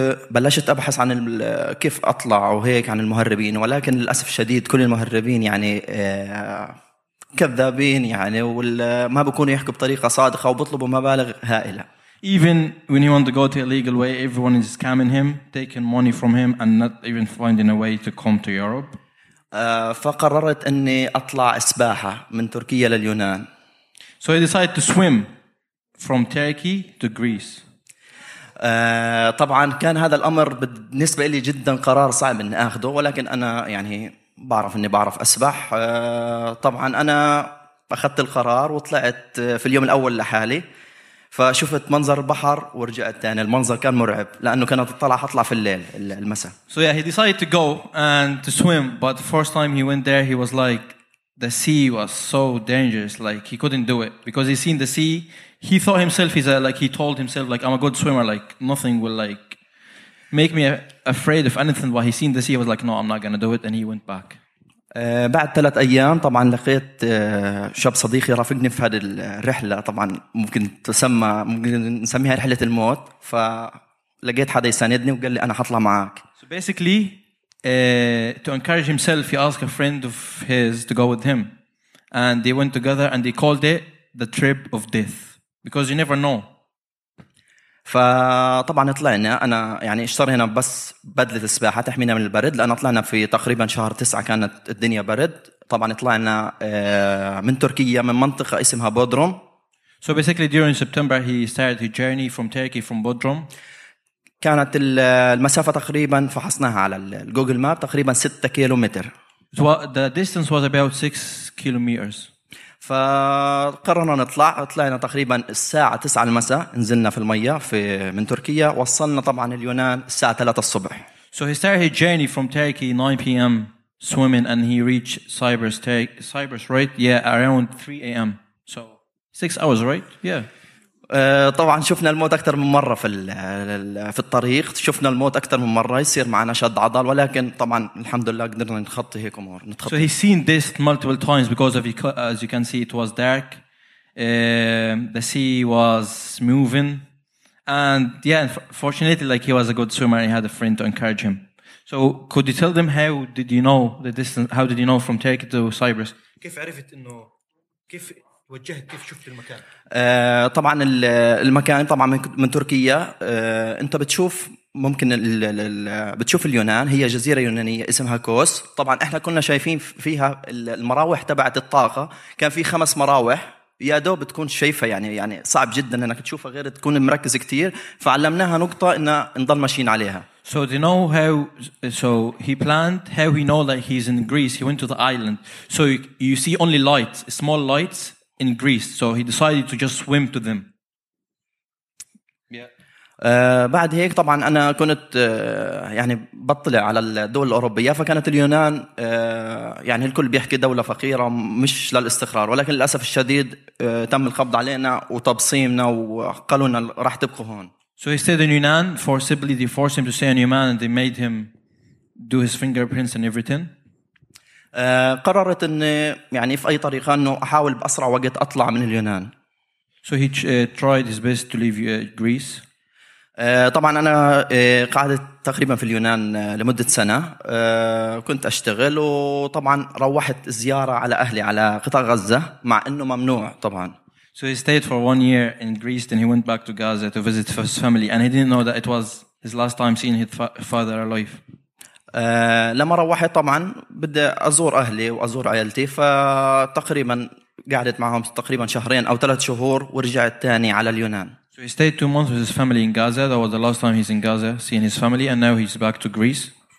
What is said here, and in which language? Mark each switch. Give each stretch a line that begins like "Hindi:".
Arabic: بلشت أبحث عن كيف أطلع وهيك عن المهربين ولكن للأسف الشديد كل المهربين يعني كذابين يعني وما بكونوا يحكوا بطريقة صادقة وبطلبوا مبالغ هائلة.
English: Even when he wanted to go to a legal way, everyone is scamming him, taking money from him, and not even finding a way to come to Europe.
Arabic: فقررت إني أطلع سباحة من تركيا لليونان.
English: So he decided to swim from Turkey to Greece.
Arabic: طبعا كان هذا الأمر بالنسبة لي جدا قرار صعب إني أخذه ولكن أنا يعني بعرف إني بعرف أسبح طبعا أنا أخذت القرار وطلعت في اليوم الأول لحالي فشفت منظر البحر ورجعت تاني المنظر كان مرعب لأنه كانت طلع حطلع في الليل المساء.
English: So yeah, he decided to go and to swim, but the first time he went there, he was like, the sea was so dangerous, like he couldn't do it because he seen the sea. He thought himself, he told himself, I'm a good swimmer, like nothing will like make me afraid of anything. But he seen the sea, he was like, no, I'm not gonna do it, and he went back.
Arabic: بعد ثلاث أيام طبعا لقيت شاب صديقي رافقني في هذه الرحلة طبعا ممكن نسميها رحلة الموت فلقيت حدا يساندني وقال لي أنا حطلع معاك.
English: So basically, to encourage himself, he asked a friend of his to go with him, and they went together and they called it the trip of death because you never know.
Arabic: فطبعا طلعنا أنا يعني اشترينا بس بدلة السباحة تحمينا من البرد لأن طلعنا في تقريبا شهر 9 كانت الدنيا برد طبعا طلعنا من تركيا من منطقة اسمها بودروم.
English: So basically during September he started his journey from Turkey from Bodrum.
Arabic: كانت المسافة تقريبا فحصناها على الجوجل ماب تقريبا 6 كيلومتر.
English: So the distance was about 6 kilometers.
Arabic: فقررنا نطلع طلعنا تقريبا الساعة 9 المساء نزلنا في المية في من تركيا وصلنا طبعا اليونان الساعة 3 الصبح.
English: So he started his journey from Turkey 9 p.m. swimming and he reached Cyprus, Cyprus right? Yeah, around 3 a.m. So 6 hours right? Yeah.
Arabic: طبعا شفنا الموت أكثر من مرة في الطريق شفنا الموت أكثر من مرة يصير معنا شد عضل ولكن طبعا الحمد لله قدرنا نتخطي هيك أمور.
English: So he's seen this multiple times because of as you can see it was dark, the sea was moving, and yeah, fortunately like he was a good swimmer, he had a friend to encourage him. So could you tell them how did you know the distance? How did you know from Turkey to Cyprus?
Arabic: كيف عرفت إنه كيف وجهت كيف شفت المكان؟ طبعا المكان طبعا من تركيا انت بتشوف ممكن بتشوف اليونان هي جزيره يونانيه اسمها كوس طبعا احنا كنا شايفين فيها المراوح تبعت الطاقه كان في 5 مراوح يا دوب بتكون شايفها يعني صعب جدا انك تشوفها غير تكون مركز كثير فعلمناها نقطه ان نضل ماشيين عليها.
English: So do you know how, so he planned how he know that he's in Greece, he went to the island, so you see only lights, small lights in Greece, so he decided to just swim to them. Yeah.
Arabic: بعد هيك طبعا انا كنت يعني بطلع على الدول الاوروبيه فكانت اليونان يعني الكل بيحكي دوله فقيره مش للاستقرار ولكن للاسف الشديد تم القبض علينا وتبصيمنا وقالوا لنا راح تبقوا هون.
English: So he stayed in Yunnan, forcibly they forced him to stay in Yunnan and they made him do his fingerprints and everything.
Arabic: قررت إني يعني في أي طريقة إنه أحاول بأسرع وقت أطلع من اليونان.
English: So he tried his best to leave Greece.
Arabic: طبعاً أنا قعدت تقريباً في اليونان لمدة سنة. كنت أشتغل وطبعاً روحت زيارة على أهلي على قطاع غزة مع إنه ممنوع طبعاً.
English: So he stayed for one year in Greece, then he went back to Gaza to visit his family, and he didn't know that it was his last time seeing his father alive.
Arabic: لما روحت طبعا بدي أزور أهلي وأزور عائلتي فتقريبا قعدت معهم تقريبا شهرين أو ثلاث شهور ورجعت تاني على اليونان.
English: So he stayed 2 months with his family in Gaza. That was the last time he's in Gaza seeing his family, and now he's back to Greece.